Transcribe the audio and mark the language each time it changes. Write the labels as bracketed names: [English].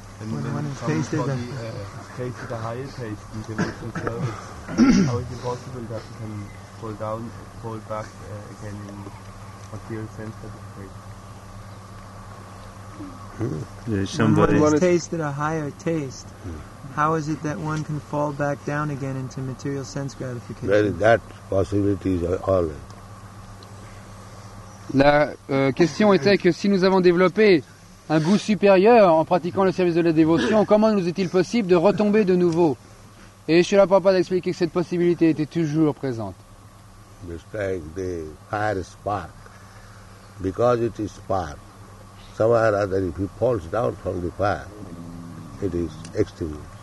[English] And when it tastes the higher taste in devotional service, how is it possible that it can fall down, fall back again in material and physical tasting? When one has tasted a higher taste, how is it that one can fall back down again into material sense gratification? Well, that possibility is always. [French] La question était que si nous avons développé un goût supérieur en pratiquant le service de la dévotion, comment nous est-il possible de retomber de nouveau? Et Srila Prabhupada a expliqué que cette possibilité était toujours présente. [English] Just like the fire spark. Because it is spark, somehow or other, if it falls down from the fire, it is extinguished.